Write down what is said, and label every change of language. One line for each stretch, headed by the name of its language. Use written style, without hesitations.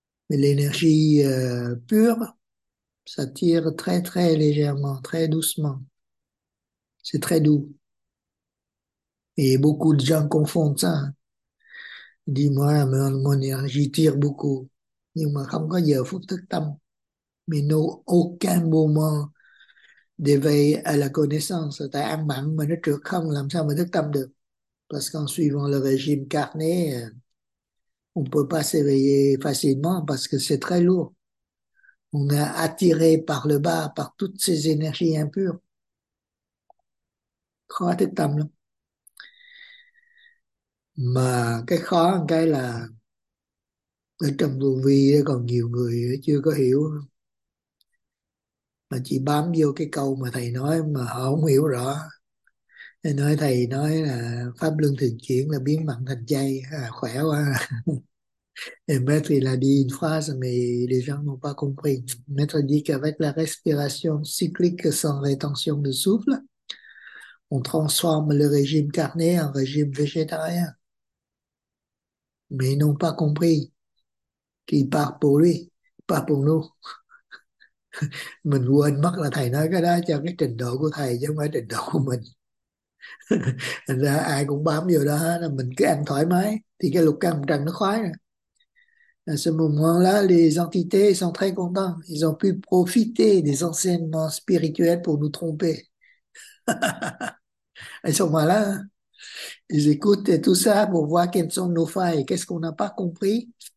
French: Mais l'énergie pure, ça tire très très légèrement, très doucement. C'est très doux. Et beaucoup de gens confondent ça. Dis-moi, mon énergie tire beaucoup.
Vietnamese: Nhưng mà không có giờ phút thức tâm.
French: Mais nó aucun moment d'éveil à la connaissance.
Vietnamese: Tại ăn mặn mà nó trượt không, làm sao mà thức tâm được.
French: Parce qu'en suivant le régime carné, on ne peut pas s'éveiller facilement parce que c'est très lourd. On est attiré par le bas, par toutes ces énergies impures.
Vietnamese: Khó thức tâm lắm. Mà cái khó cái là ở trong tu vi còn nhiều người chưa có hiểu, mà chỉ bám vô cái câu mà thầy nói mà họ không hiểu rõ. Nên nói thầy nói là pháp luân thường chuyển là biến mặn thành chay, à, khỏe quá.
French: Et maître il a dit une phrase, mais les gens n'ont pas compris. Maître dit qu'avec la respiration cyclique sans rétention de souffle, on transforme le régime carné en régime végétarien. Mais ils n'ont pas compris qu'il part pour lui, pas pour nous.
Vietnamese: Mình quên mất là thầy nói cái đó cho cái trình độ của thầy chứ không phải trình độ của mình. Thành ra ai cũng bám vô đó hết, là mình cứ ăn thoải mái thì cái lục căn trần nó khoái rồi.
French: À ce moment-là, les entités sont très contents. Ils ont pu profiter des enseignements spirituels pour nous tromper. À ce moment-là, ils écoutent tout ça pour voir quelles sont nos failles, qu'est-ce qu'on n'a pas compris.